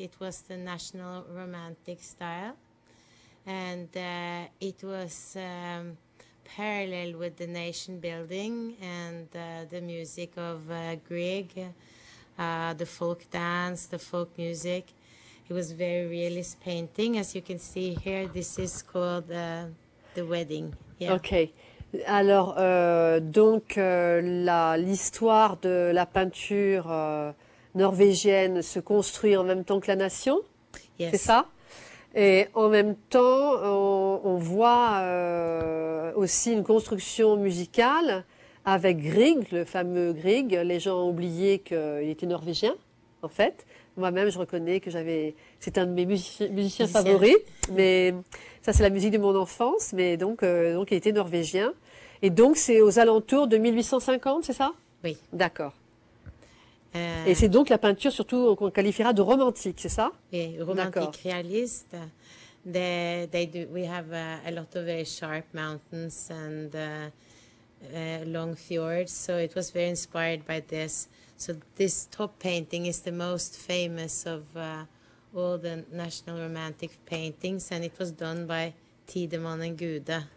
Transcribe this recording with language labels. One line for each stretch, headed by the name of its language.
English: It was the national romantic style, and it was parallel with the nation building and the music of Grieg, the folk dance, the folk music. It was very realist painting, as you can see here. This is called the wedding. Yeah. Okay.
French: Alors, l'histoire de la peinture norvégienne se construit en même temps que la nation,
English: yes.
French: C'est ça? Et en même temps, on voit aussi une construction musicale avec Grieg, le fameux Grieg. Les gens ont oublié qu'il était norvégien, en fait. Moi-même, je reconnais que c'est un de mes musiciens favoris, mais ça, c'est la musique de mon enfance, mais donc il était norvégien. Et donc, c'est aux alentours de 1850, c'est ça? Oui. D'accord. Et c'est donc la peinture, surtout, qu'on qualifiera de romantique, c'est ça? Oui, romantique réaliste.
English: We have a lot of very sharp mountains and long fjords, so it was very inspired by this. So this top painting is the most famous of all the national romantic paintings, and it was done by Tiedemann and Gude.